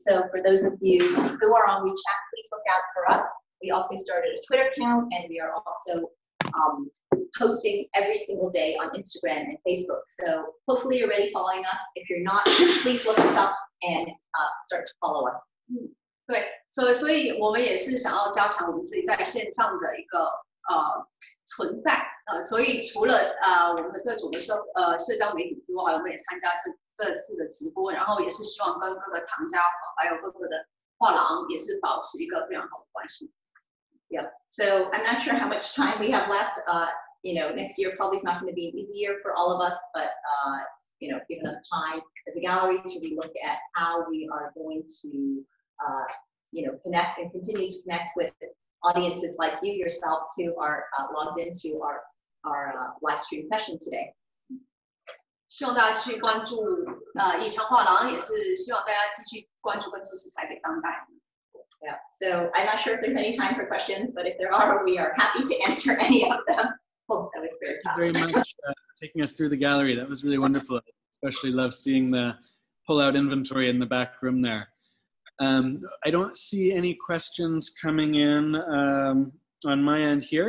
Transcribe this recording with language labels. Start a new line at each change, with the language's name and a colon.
English: So for those of you who are on WeChat, please look out for us. We also started a Twitter account, and we are also... posting every single day on Instagram and Facebook. So hopefully you're already following us. If you're not, please look us up and start to follow us.
Chinese: 对，所以我们也是想要加强我们自己在线上的一个存在。所以除了我们各种的社交媒体之外，我们也参加这次的直播，然后也是希望跟各个藏家还有各个的画廊也是保持一个非常好的关系。
English: Yeah, so I'm not sure how much time we have left. Next year probably is not going to be an easy year for all of us, but it's, given us time as a gallery to relook at how we are going to, connect and continue to connect with audiences like you yourselves who are logged into our live stream session today.
Chinese: 希望大家继续关注艺昌画廊，也是希望大家继续关注和支持台北当代。
English: Yeah, so I'm not sure if there's any time for questions, but if there are, we are happy to answer any of them. Oh, that was very fast. Thank you very much for taking us through the gallery. That was really wonderful. I especially love seeing the pull-out inventory in the back room there. I don't see any questions coming in on my end here.